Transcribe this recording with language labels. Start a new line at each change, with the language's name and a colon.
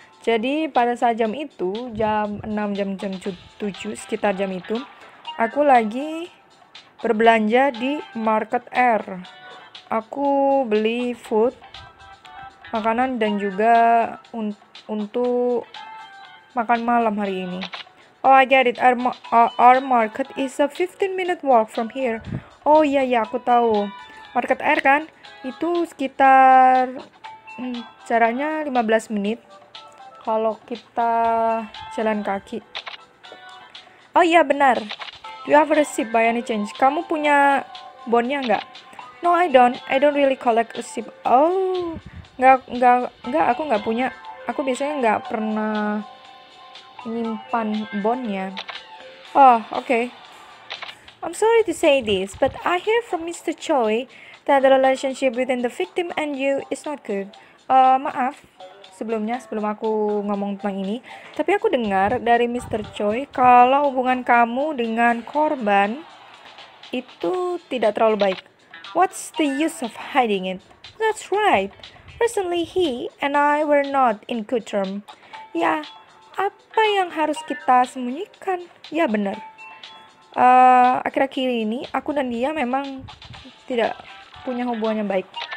Indonesian: Jadi pada saat jam itu, jam 6, jam 7, sekitar jam itu, aku lagi berbelanja di market R. Aku beli food, makanan, dan juga untuk makan malam hari ini.
English: Oh, I get it. Our market is a 15-minute walk from here.
Indonesian: Oh, iya, aku tahu. Market R kan? Itu sekitar caranya 15 menit kalau kita jalan kaki. Oh iya, benar.
English: Do you have a receipt by any chance?
Indonesian: Kamu punya bonnya enggak?
English: No, I don't really collect receipt.
Indonesian: Oh, enggak, aku enggak punya. Aku biasanya enggak pernah menyimpan bonnya.
English: Oh, okay. I'm sorry to say this, but I hear from Mr. Choi that the relationship between the victim and you is not good.
Indonesian: Maaf, sebelum aku ngomong tentang ini, tapi aku dengar dari Mr. Choi kalau hubungan kamu dengan korban itu tidak terlalu baik.
English: What's the use of hiding it? That's right. Recently he and I were not in good term.
Indonesian: Ya, apa yang harus kita sembunyikan? Ya, benar. Akhir-akhir ini aku dan dia memang tidak punya hubungan yang baik.